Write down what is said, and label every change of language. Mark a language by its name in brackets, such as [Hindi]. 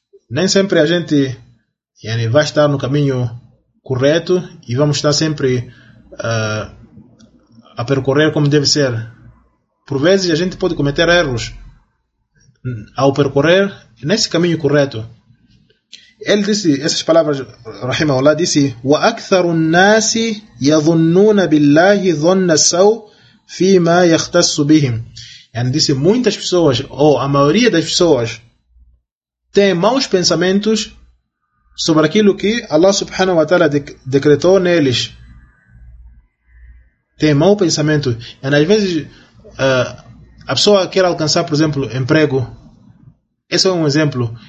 [Portuguese] Nem sempre a gente yani, vai estar no caminho correto e vamos estar sempre a percorrer como deve ser. Por vezes a gente pode cometer erros ao percorrer nesse caminho correto. Ele disse essas palavras, rahimahullah, disse: [Arabic] وَأَكْثَرُ النَّاسِ يَظُنُّونَ بِاللَّهِ ظُنَّ السَّوْءِ فِيمَا يَخْتَسُّ بِهِمْ. [Portuguese] Yani, disse, muitas pessoas, ou a maioria das pessoas, tem maus pensamentos sobre aquilo que Allah subhanahu wa ta'ala decretou neles. Tem mau pensamento. Yani, às vezes, a pessoa quer alcançar, por exemplo, emprego. Esse é um exemplo.